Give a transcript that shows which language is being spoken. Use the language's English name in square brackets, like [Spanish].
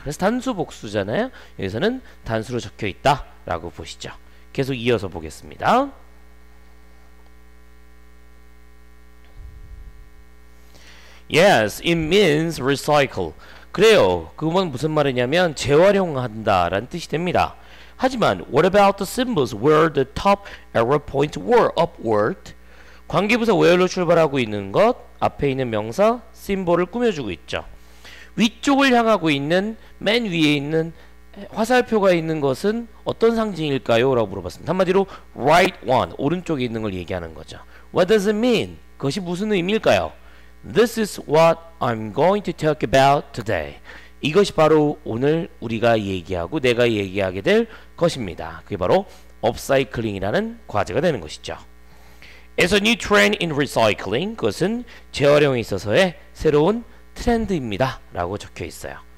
[Korean] 그래서 단수 복수잖아요. 여기서는 단수로 적혀 있다라고 보시죠. 계속 이어서 보겠습니다. [English] Yes, it means recycle. [Korean] 그래요. 그건 무슨 말이냐면 재활용한다라는 뜻이 됩니다. [English] 하지만 what about the symbols where the top arrow points were upward? [Korean] 관계부사 where로 출발하고 있는 것 앞에 있는 명사 심볼을 꾸며주고 있죠. 위쪽을 향하고 있는 맨 위에 있는 화살표가 있는 것은 어떤 상징일까요? 라고 물어봤습니다. 한마디로 [English] right one [Korean] 오른쪽에 있는 걸 얘기하는 거죠. [English] What does it mean? [Korean] 그것이 무슨 의미일까요? [English] This is what I'm going to talk about today. [Korean] 이것이 바로 오늘 우리가 얘기하고 내가 얘기하게 될 것입니다. 그게 바로 업사이클링이라는 과제가 되는 것이죠. [English] It's a new trend in recycling. [Korean] 그것은 재활용에 있어서의 새로운 트렌드입니다. 라고 적혀 있어요.